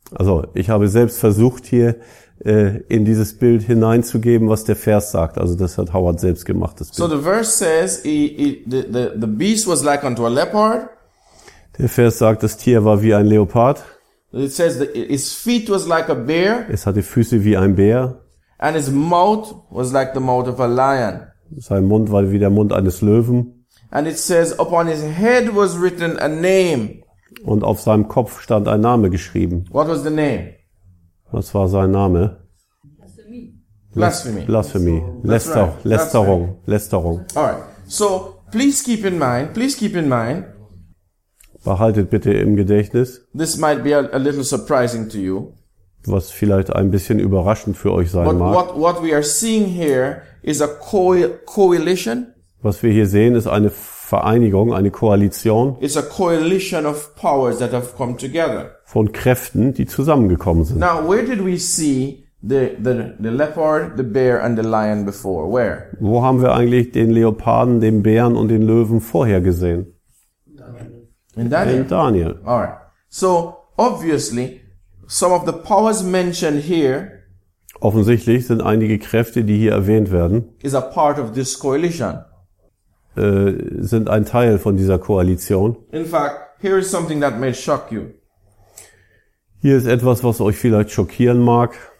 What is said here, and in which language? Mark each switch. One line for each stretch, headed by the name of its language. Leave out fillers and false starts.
German: Also, ich habe selbst versucht hier in dieses Bild hineinzugeben, was der Vers sagt. Also, das hat Howard selbst gemacht, das Bild.
English: So the verse says the beast was like unto a leopard.
German: Der Vers sagt, das Tier war wie ein Leopard.
English: It says his feet was like a bear.
German: Es hatte Füße wie ein Bär.
English: And his mouth was like the mouth of a lion.
German: Sein Mund war wie der Mund eines Löwen.
English: And it says upon his head was written a name.
German: Und auf seinem Kopf stand ein Name geschrieben.
English: What was the name?
German: Was war sein Name?
English: Blasphemy.
German: Lästerung. Lästerung.
English: All right. So please keep in mind.
German: Behaltet bitte im Gedächtnis.
English: This might be a little surprising to you.
German: Was vielleicht ein bisschen überraschend für euch sein mag.
English: What we are seeing here is a coalition.
German: Was wir hier sehen, ist eine Vereinigung, eine Koalition.
English: It's a coalition of powers that have come together.
German: Von Kräften, die zusammengekommen sind.
English: Now, where did we see the leopard, the bear and the lion before? Where?
German: Wo haben wir eigentlich den Leoparden, den Bären und den Löwen vorher gesehen?
English: In Daniel. All right. So obviously, some of the powers mentioned here.
German: Offensichtlich sind einige Kräfte, die hier erwähnt werden,
English: is a part of this coalition.
German: Sind ein Teil von dieser Koalition.
English: In fact, here is something that may shock you.
German: Hier ist etwas, was euch vielleicht schockieren mag.